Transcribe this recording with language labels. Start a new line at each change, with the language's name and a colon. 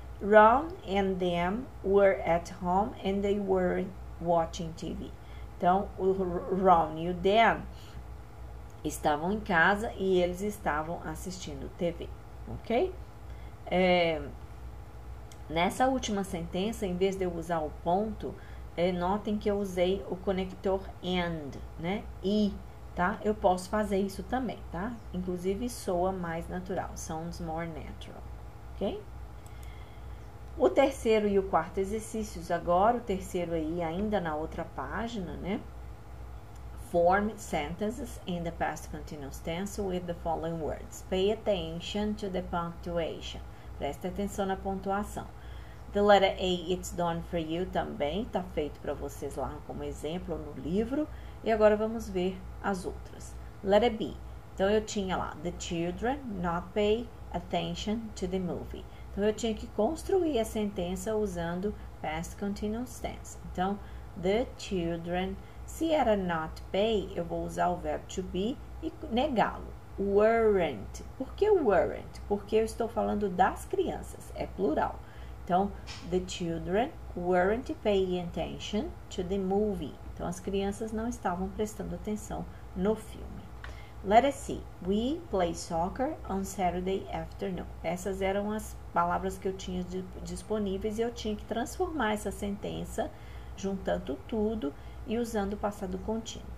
English: Ron and them were at home and they were watching TV.
Portuguese: Então, o Ron e o Dan estavam em casa e eles estavam assistindo TV, ok? Nessa última sentença, em vez de eu usar o ponto, notem que eu usei o conector and, né? E. Tá? Eu posso fazer isso também, tá? Inclusive soa mais natural.
English: Sounds more natural.
Portuguese: Ok? O terceiro e o quarto exercícios. Agora, o terceiro aí, ainda na outra página, né?
English: Form sentences in the past continuous tense with the following words. Pay attention to the punctuation.
Portuguese: Presta atenção na pontuação.
English: The letter A, it's done for you também.
Portuguese: Tá feito para vocês lá como exemplo no livro. E agora vamos ver as outras.
English: Letter B.
Portuguese: Então eu tinha lá,
English: the children not pay attention to the movie.
Portuguese: Então eu tinha que construir a sentença usando past continuous tense. Então, the children, se era not pay, eu vou usar o verbo to be e negá-lo. Weren't. Por que weren't? Porque eu estou falando das crianças, é plural.
English: Então, the children weren't paying attention to the movie.
Portuguese: Então, as crianças não estavam prestando atenção no filme.
English: Let us see. We play soccer on Saturday afternoon.
Portuguese: Essas eram as palavras que eu tinha disponíveis e eu tinha que transformar essa sentença juntando tudo e usando o passado contínuo.